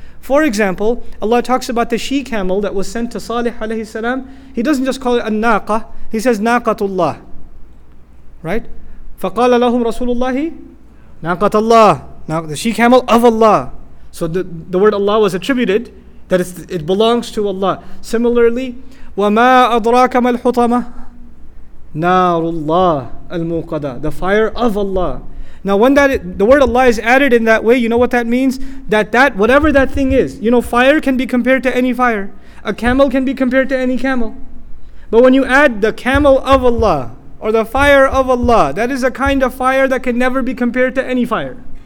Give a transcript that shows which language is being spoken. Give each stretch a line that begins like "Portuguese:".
English: For example, Allah talks about the she-camel that was sent to Salih alayhi salam. He doesn't just call it an-naqa, He says naqatullah. Right?
Arabic: فَقَالَ لَهُمْ رَسُولُ اللَّهِ نَاقَةَ اللَّهِ.
English: Now, the she-camel of Allah. So the word Allah was attributed, that it belongs to Allah. Similarly,
Arabic: وَمَا أَدْرَاكَ مَا الْحُطَمَةِ نَارُ اللَّهِ الْمُوْقَدَةِ.
English: The fire of Allah. Now when that the word Allah is added in that way, you know what that means? That whatever that thing is, you know, fire can be compared to any fire. A camel can be compared to any camel. But when you add the camel of Allah, or the fire of Allah, that is a kind of fire that can never be compared to any fire.